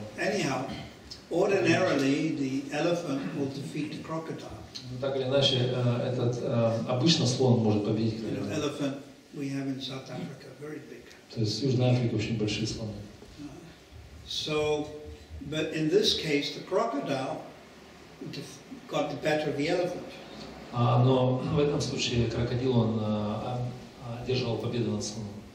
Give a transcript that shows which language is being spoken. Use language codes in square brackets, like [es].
[en] Anyhow, ordinarily the elephant will defeat the crocodile. [ru] Так или иначе, этот обычно слон может победить. [en] The elephant we have in South Africa, very big. [ru] То есть в Южной Африке очень большие слоны. [en] So, but in this case, the crocodile got the better of the elephant. [ru] Но в этом случае крокодил он одержал победу над слоном.